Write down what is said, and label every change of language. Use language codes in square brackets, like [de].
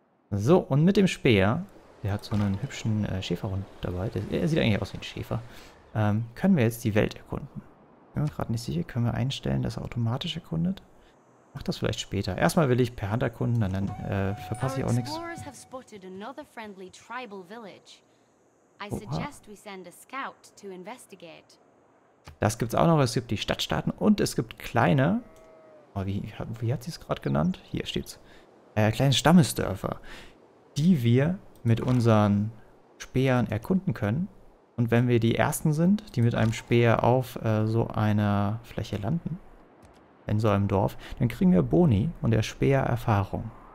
[de] So, und mit dem Speer, der hat so einen hübschen Schäferhund dabei, er sieht eigentlich aus wie ein Schäfer, können wir jetzt die Welt erkunden. Bin mir gerade nicht sicher, können wir einstellen, dass er automatisch erkundet? Mach das vielleicht später. Erstmal will ich per Hand erkunden, dann verpasse ich auch nichts. [en] Our explorers have spotted another friendly tribal village. I suggest we send a scout to investigate. [de] Das gibt's auch noch. Es gibt die Stadtstaaten und es gibt kleine. Oh, wie hat sie es gerade genannt? Hier steht's. Kleine Stammesdörfer, die wir mit unseren Speeren erkunden können. Und wenn wir die ersten sind, die mit einem Speer auf so einer Fläche landen, in so einem Dorf, dann kriegen wir Boni und der Speer Erfahrung.